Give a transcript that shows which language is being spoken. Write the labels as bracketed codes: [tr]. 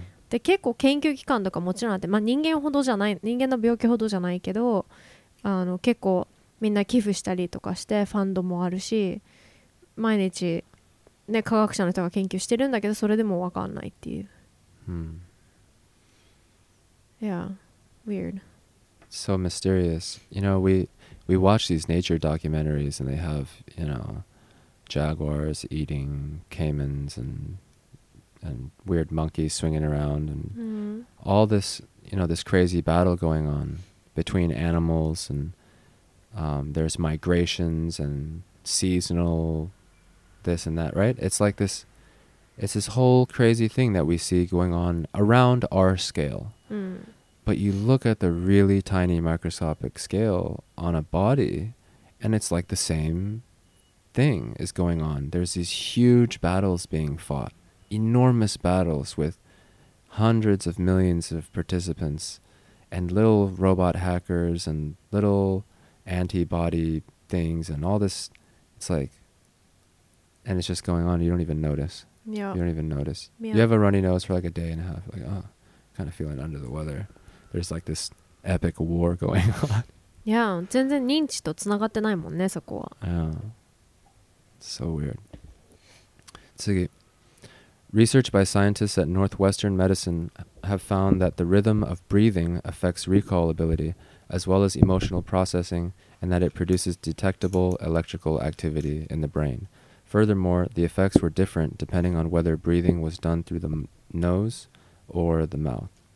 [ja] で結構研究機関とかもちろんあって、まあ、人間ほどじゃない、人間の病気ほどじゃないけど、あの結構みんな寄付したりとかしてファンドもあるし、毎日、ね、科学者の人が研究してるんだけど、それでも分かんないっていう、 [en] Yeah, weird. So mysterious. You know, we watch these nature documentaries and they have, you knowjaguars eating caimans and weird monkeys swinging around and all this, you know, this crazy battle going on between animals and there's migrations and seasonal this and that, right? It's like this, it's this whole crazy thing that we see going on around our scale. But you look at the really tiny microscopic scale on a body and it's like the sameThing is going on. There's these huge battles being fought, enormous battles with hundreds of millions of participants and little robot hackers and little antibody things and all this. It's like, and it's just going on. You don't even notice. Yeah. You don't even notice. Yeah. You have a runny nose for like a day and a half. Like, oh, kind of feeling under the weather. There's like this epic war going on. Yeah. [ja] 全然認知とつながってないもんね、そこは。 [en] Yeah. So weird. [ja] 次. [en] Research by scientists at Northwestern Medicine have found that the rhythm of breathing affects recall ability as well as emotional processing, and that it produces detectable electrical activity in the brain. Furthermore, the effects were different depending on whether breathing was done through the nose or the mouth.